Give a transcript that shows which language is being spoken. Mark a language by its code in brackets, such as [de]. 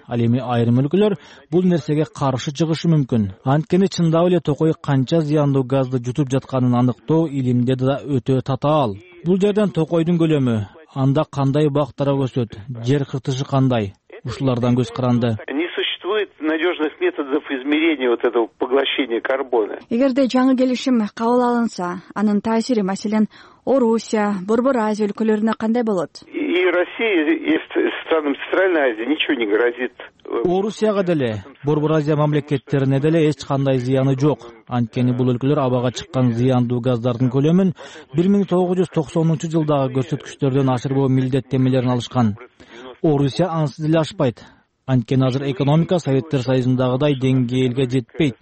[ky] Ал эми айрым өлкөлөр бул нерсеге каршы чыгышы мүмкүн. Анткени чындап эле токой канча зыяндуу газды жутуп жатканын аныктоо илимде да өтө татаал. Бул жерден токойдун көлөмү, анда кандай бактар өсөт, жер кыртышы кандай, ушулардан көз каранды. [ru] Надежных методов измерения вот этого поглощения карбона. [ky] Эгерде жаңы келишим кабыл алынса, анын таасири, маселен, Орусия, Борбор Азия өлкөлөрүнө кандай болот? [ru] И Россия, и странам Центральной Азии ничего не грозит. [ky] Орусияга деле, Борбор Азия мамлекеттерине деле эч кандай зыяны жок. Анткени бул өлкөлөр абага чыккан зыяндуу газдардын көлөмүн 1990 жылдагы көрсөткүчтөрдөн ашырбоо милдеттемелерин алышкан. Орусия ансыз деле ашпайт. Анткени азыр экономика Советтер Союзундагыдай деңгээлге жетпейт.